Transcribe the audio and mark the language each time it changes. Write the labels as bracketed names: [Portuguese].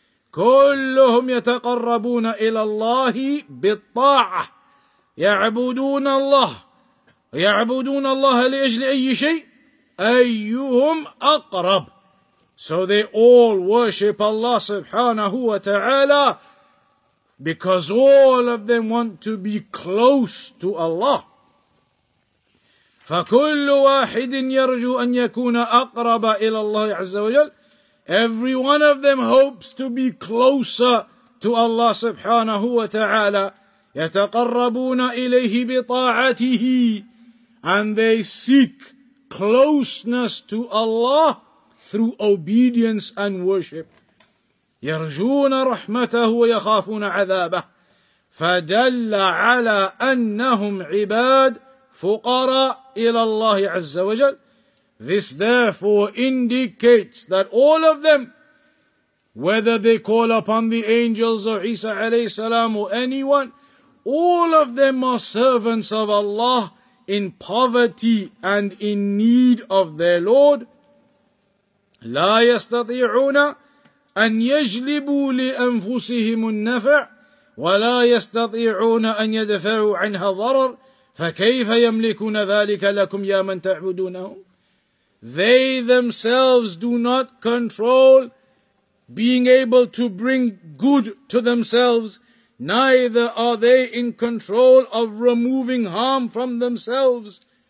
[Arabic] كلهم يتقربون إلى الله بالطاعة يعبدون الله يعبدون الله لأجل أي شيء أيهم أقرب. [English] So they all worship Allah [Arabic] سبحانه وتعالى [English] because all of them want to be close to Allah. [Arabic] فكل واحد يرجو أن يكون أقرب إلى الله عز وجل. [English] Every one of them hopes to be closer to Allah subhanahu wa ta'ala. [Arabic] يَتَقَرَّبُونَ إِلَيْهِ بِطَاعَتِهِ. [English] And they seek closeness to Allah through obedience and worship. [Arabic] يَرْجُونَ رَحْمَتَهُ وَيَخَافُونَ عَذَابَهُ. فَدَلَّ عَلَىٰ أَنَّهُمْ عِبَادْ فُقَرَىٰ إِلَى اللَّهِ عَزَّ وَجَلْ. [English] This therefore indicates that all of them, whether they call upon the angels or Isa alayhi salam or anyone, all of them are servants of Allah in poverty and in need of their Lord. [Arabic] لا يستطيعون أن يجلبوا لأنفسهم النفع ولا يستطيعون أن يدفعوا عنها ضرر فكيف يملكون ذلك لكم يا من تعبدونهم. [English] They themselves do not control being able to bring good to themselves, neither are they in control of removing harm from themselves.